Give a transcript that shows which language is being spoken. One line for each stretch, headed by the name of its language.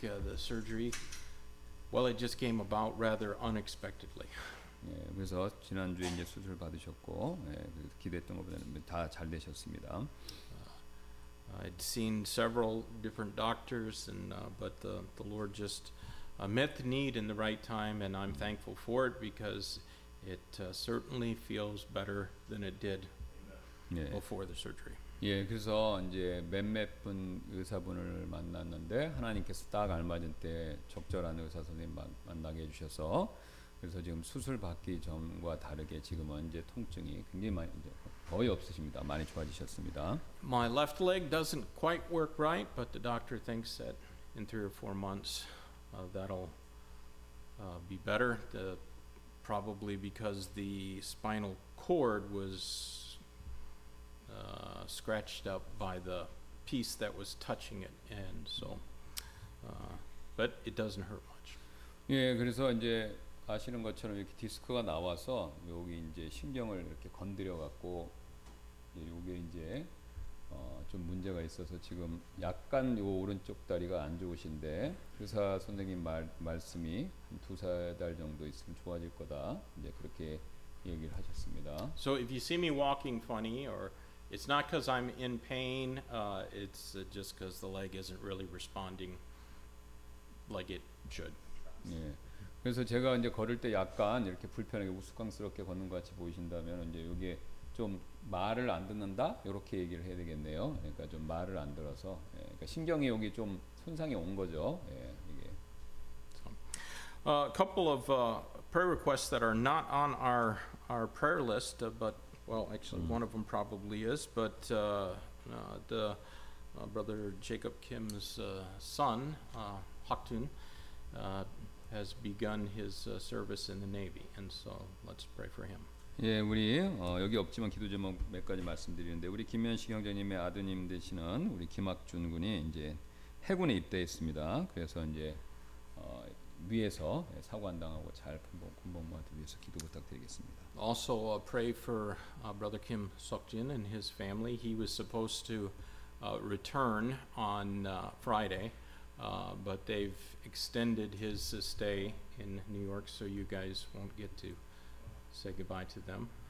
English: The surgery, well, it just came about rather unexpectedly.
Korean: 예, 그래서 지난주에 이제 수술 받으셨고 예, 기대했던 것보다는 다 잘 되셨습니다.
English: I'd seen several different doctors and but the Lord just met the need in the right time and I'm thankful for it because it certainly feels better than it did before the surgery.
Korean: 예, 그래서 이제 몇몇 분 의사분을 만났는데 하나님께서 딱 알맞은 때 적절한 의사 선생님 만나게 해 주셔서 그래서 지금 수술 받기 전과 다르게 지금은 이제 통증이 굉장히 많이 이제 거의 없으십니다. 많이 좋아지셨습니다.
English: My left leg doesn't quite work right, but the doctor thinks that in 3 or 4 months that'll be better. The, probably because the spinal cord was scratched up by the piece that was touching it, and so, but it doesn't hurt much.
Korean: 예, 그래서 이제 아시는 것처럼 이렇게 디스크가 나와서 여기 이제 신경을 이렇게 건드려 갖고 이게 이제 좀 문제가 있어서 지금 약간 요 오른쪽 다리가 안 좋으신데 의사 선생님 말씀이 2-3달 정도 있으면 좋아질 거다 이제 그렇게 얘기를 하셨습니다.
English: So if you see me walking funny or it's not because I'm in pain, it's just because the leg isn't really responding like it should.
Korean: 예. 그래서 제가 이제 걸을 때 약간 이렇게 불편하게 우스꽝스럽게 걷는 것 같이 보이신다면 이제 이게 좀 말을 안 듣는다 이렇게 얘기를 해야 되겠네요. 그러니까 좀 말을 안 들어서 예, 그러니까 신경이 여기 좀 손상이 온 거죠. 예, 이게.
English: A couple of prayer requests that are not on our prayer list, but well, actually one of them probably is. But the brother Jacob Kim's son, Hak-tun. Has begun his service in the Navy, and so let's pray for him.
Korean: 예, 우리 여기 없지만 기도 제목 몇 가지 말씀드리는데 우리 김현식 형제님의 아드님 되시는 우리 김학준 군이 이제 해군에 입대했습니다. 그래서 이제 위에서 사고 안 당하고 잘 군복무하기 위해서 기도 부탁드리겠습니다.
English: Also, pray for Brother Kim Seok-jin and his family. He was supposed to return on Friday. But they've extended his stay in New York, so you guys won't get to say goodbye to them.